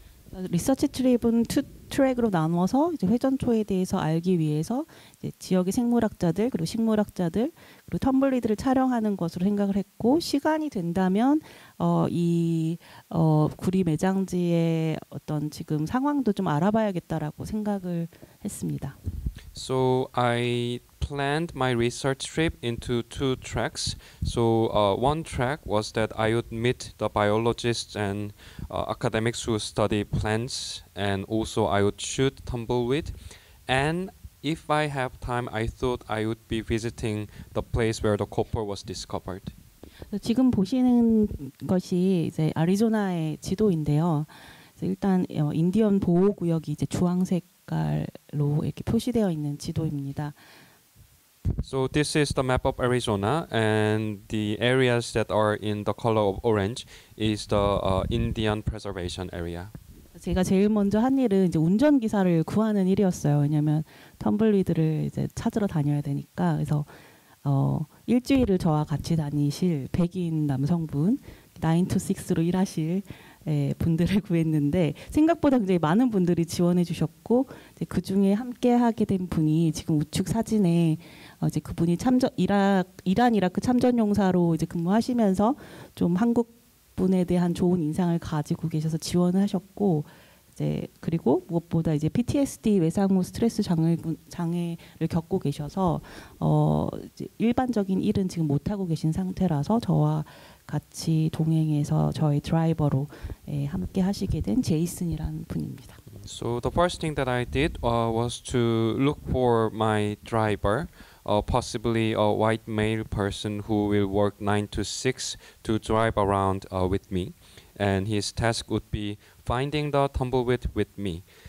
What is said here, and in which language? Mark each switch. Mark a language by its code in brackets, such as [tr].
[ko] 리서치 트립은 투 트랙으로 나누어서 이제 회전초에 대해서 알기 위해서 이제 지역의 생물학자들 그리고 식물학자들 그리고 텀블리드를 촬영하는 것으로 생각을 했고 시간이 된다면 구리 매장지의 어떤 지금 상황도 좀 알아봐야겠다라고 생각을 했습니다. [en] So I planned my research trip into two tracks. So one track was that I would meet the biologists and academics who study plants, and also I would shoot tumbleweed. And if I have time, I thought I would be visiting the place where the copper was discovered. [ko] 지금 보시는 것이 이제 아리조나의 지도인데요. 일단 인디언 보호 구역이 이제 주황색 로 이렇게 표시되어 있는 지도입니다. [en] So this is the map of Arizona, and the areas that are in the color of orange is the Indian Preservation Area. [ko] 제가 제일 먼저 한 일은 이제 운전 기사를 구하는 일이었어요. 왜냐하면 텀블리드를 이제 찾으러 다녀야 되니까 그래서 일주일을 저와 같이 다니실 백인 남성분 9-to-6로 일하실. 예, 분들을 구했는데 생각보다 굉장히 많은 분들이 지원해 주셨고 이제 그 중에 함께 하게 된 분이 지금 우측 사진에 이제 그분이 참전 이란 이라크 참전 용사로 이제 근무하시면서 좀 한국 분에 대한 좋은 인상을 가지고 계셔서 지원을 하셨고 이제 그리고 무엇보다 이제 PTSD 외상 후 스트레스 장애를 겪고 계셔서 이제 일반적인 일은 지금 못 하고 계신 상태라서 저와 같이 동행해서 저희 드라이버로 함께 하시게 된 제이슨이라는 분입니다. [en] So the first thing that I did was to look for my driver, possibly a white male person who will work 9 to 6 to drive around with me, and his task would be finding the tumbleweed with me.